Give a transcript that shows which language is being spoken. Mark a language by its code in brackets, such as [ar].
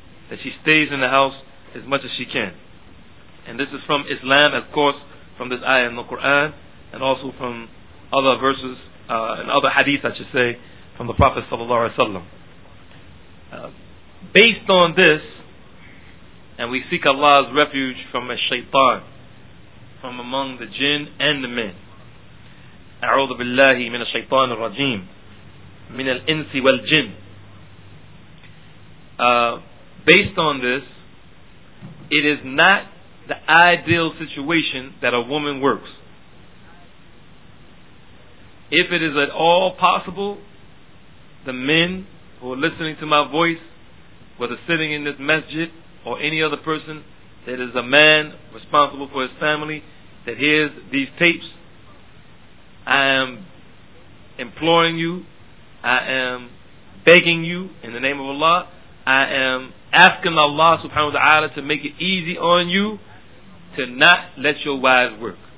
[en] That she stays in the house as much as she can. And this is from Islam, of course, from this ayah in the Quran, and also from other verses, and other hadith, I should say, from the Prophet sallallahu alaihi wasallam. Based on this, and we seek Allah's refuge from a shaitan, from among the jinn and the men. [ar] أعوذ بالله من الشيطان الرجيم من الإنس والجن. [en] Based on this, it is not the ideal situation that a woman works. If it is at all possible, the men who are listening to my voice, whether sitting in this masjid or any other person that is a man responsible for his family that hears these tapes, I am imploring you, I am begging you in the name of Allah, I am asking Allah subhanahu wa ta'ala to make it easy on you to not let your wives work.